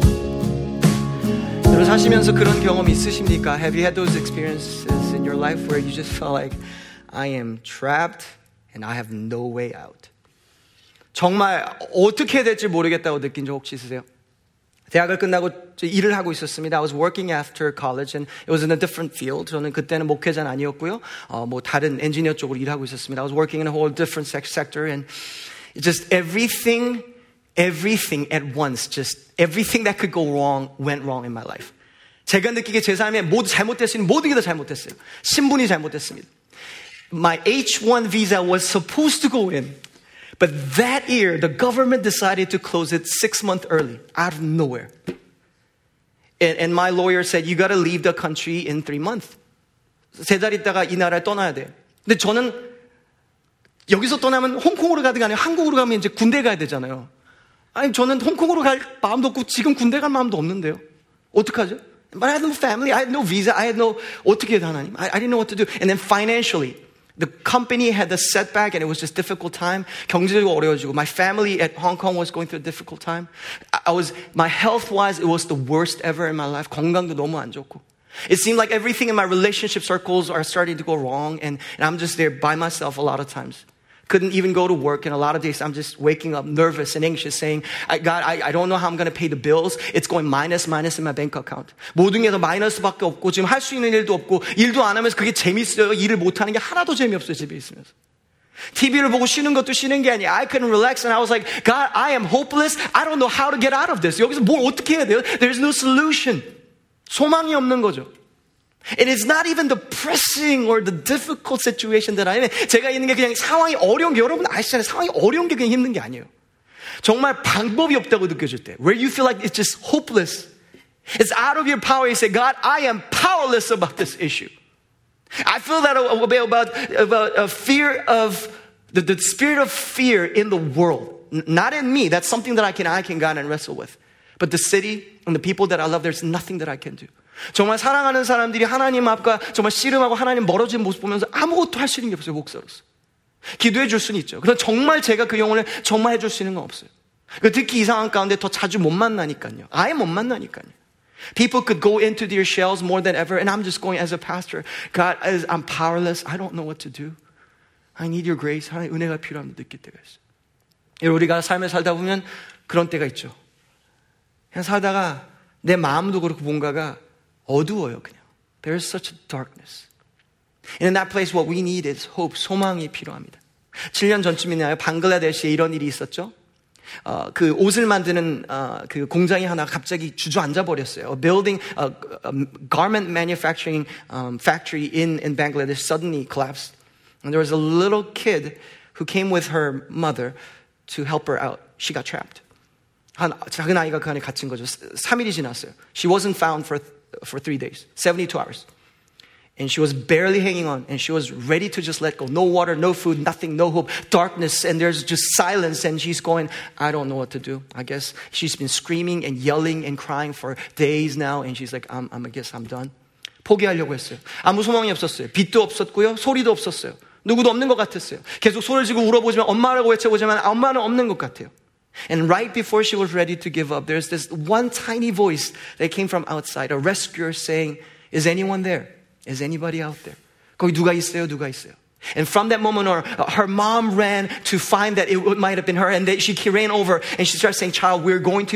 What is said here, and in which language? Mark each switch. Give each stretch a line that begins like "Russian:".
Korean: 여러분께서 그런 경험 있으십니까?
English: Have you had those experiences in your life where you just felt like I am trapped and I have no way out?
Korean: 정말 어떻게 해야 될지 모르겠다고 느낀 적 혹시 있으세요? 대학을 끝나고 일을 하고 있었습니다.
English: I was working after college and it was in a different field.
Korean: 저는 그때는 목회자는 아니었고요. 뭐 다른 엔지니어 쪽으로 일하고 있었습니다.
English: I was working in a whole different sector and just everything at once, just everything that could go wrong went wrong in my life.
Korean: 제가 느끼기에 제 삶에 모두 잘못될 수 있는 모든 게 다 잘못됐어요. 신분이 잘못됐습니다.
English: My H1 visa was supposed to go in. But that year, the government decided to close it 6 months early, out of nowhere. And my lawyer said, you got to leave the country in 3 months.
Korean: 세 달 있다가 이 나라를 떠나야 돼. 근데 저는 여기서 떠나면 홍콩으로 가든 아니면 한국으로 가면 이제 군대 가야 되잖아요. 아니, 저는 홍콩으로 갈 마음도 없고 지금 군대 갈 마음도 없는데요. 어떡하죠?
English: But I had no family, I had no visa, I had no,
Korean: 어떻게 해야 하나님?
English: I didn't know what to do. And then financially, the company had a setback and it was just a difficult time.
Korean: 경제적으로 어려워지고.
English: My family at Hong Kong was going through a difficult time. My health-wise, it was the worst ever in my life.
Korean: 건강도 너무 안 좋고.
English: It seemed like everything in my relationship circles are starting to go wrong and I'm just there by myself a lot of times. Couldn't even go to work and a lot of days I'm just waking up nervous and anxious saying, God, I don't know how I'm going to pay the bills. It's going minus in my bank account.
Korean: 모든 게 다 마이너스밖에 없고 지금 할 수 있는 일도 없고 일도 안 하면서 그게 재밌어요. 일을 못하는 게 하나도 재미없어요. 집에 있으면서. TV를 보고 쉬는 것도 쉬는 게 아니야.
English: I couldn't relax and I was like, God, I am hopeless. I don't know how to get out of this.
Korean: 여기서 뭘 어떻게 해야 돼요?
English: There's no solution.
Korean: 소망이 없는 거죠.
English: And it's not even the pressing or the difficult situation that I'm in.
Korean: 제가 있는 게 그냥 상황이 어려운 게 여러분 아시잖아요. 상황이 어려운 게 그냥 힘든 게 아니에요. 정말 방법이 없다고 느껴질 때.
English: Where you feel like it's just hopeless. It's out of your power. You say, God, I am powerless about this issue. I feel that about a fear of, the spirit of fear in the world. Not in me. That's something that I can go and wrestle with. But the city and the people that I love, there's nothing that I can do.
Korean: 정말 사랑하는 사람들이 하나님 앞과 정말 씨름하고 하나님 멀어진 모습 보면서 아무것도 할 수 있는 게 없어요. 목사로서 기도해 줄 수는 있죠. 그런데 정말 제가 그 영혼을 정말 해줄 수 있는 건 없어요. 특히 이상한 가운데 더 자주 못 만나니까요. 아예 못 만나니까요.
English: People could go into their shells more than ever and I'm just going as a pastor. God, I'm powerless. I don't know what to do. I need your grace.
Korean: 하나님 은혜가 필요합니다. 느낄 때가 있어요. 우리가 삶을 살다 보면 그런 때가 있죠. 그냥 살다가 내 마음도 그렇고 뭔가가 어두워요, 그냥.
English: There is such a darkness. And in that place, what we need is hope,
Korean: 소망이 필요합니다. 7년 전쯤이나요, 방글라데시에 이런 일이 있었죠. 그 옷을 만드는 그 공장이 하나 갑자기 주저앉아버렸어요.
English: A building, a garment manufacturing factory in Bangladesh suddenly collapsed. And there was a little kid who came with her mother to help her out. She got trapped.
Korean: 한 작은 아이가 그 안에 갇힌 거죠. 3일이 지났어요.
English: She wasn't found for 3 days, 72 hours. And she was barely hanging on and she was ready to just let go. No water, no food, nothing, no hope, darkness, and there's just silence and she's going, I don't know what to do. I guess she's been screaming and yelling and crying for days now and she's like, I guess I'm done.
Korean: 포기하려고 했어요. 아무 소망이 없었어요. 빛도 없었고요. 소리도 없었어요. 누구도 없는 것 같았어요. 계속 손을 쥐고 울어보지만 엄마라고 외쳐보지만 엄마는 없는 것 같아요.
English: And right before she was ready to give up, there's this one tiny voice that came from outside, a rescuer saying, is anyone there? Is anybody out there?
Korean: 거기 누가 있어요? 누가 있어요?
English: And from that moment on, her mom ran to find that it might have been her, and then she ran over, and she started saying, child, we're going to.